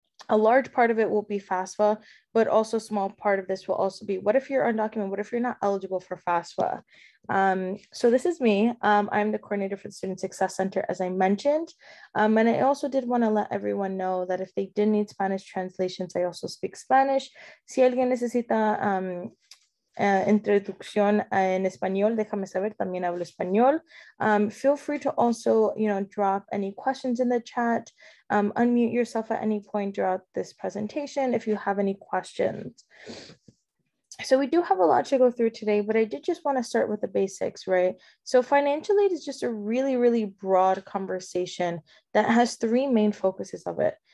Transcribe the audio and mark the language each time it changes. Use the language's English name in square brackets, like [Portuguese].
[English] A large part of it will be FAFSA, but also a small part of this will also be, what if you're undocumented? What if you're not eligible for FAFSA? So this is me. I'm the coordinator for the Student Success Center, as I mentioned. And I also did want to let everyone know that if they did need Spanish translations, I also speak Spanish. [Spanish] Si alguien necesita introducción en español, déjame saber, también hablo español. [English] Feel free to also, you know, drop any questions in the chat. Unmute yourself at any point throughout this presentation if you have any questions. So we do have a lot to go through today, but I did just want to start with the basics, right? So financial aid is just a really, really broad conversation that has three main focuses of it.